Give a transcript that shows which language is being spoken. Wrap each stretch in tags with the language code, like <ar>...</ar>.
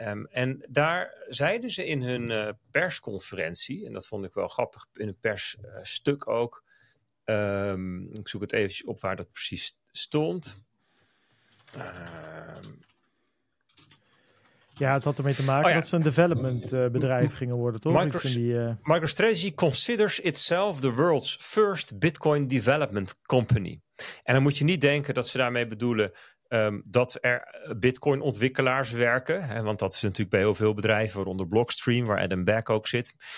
<nl>En daar zeiden ze in hun persconferentie, en dat vond ik wel grappig, in een persstuk ook. Ik zoek het eventjes op waar dat precies stond. Ja, het had ermee te maken dat ze een development bedrijf gingen worden, toch?</nl> <en>MicroStrategy considers itself the world's first Bitcoin development company.</en> <nl>En dan moet je niet denken dat ze daarmee bedoelen dat er Bitcoin ontwikkelaars werken. Hè, want dat is natuurlijk bij heel veel bedrijven, waaronder Blockstream, waar Adam Back ook zit.</nl>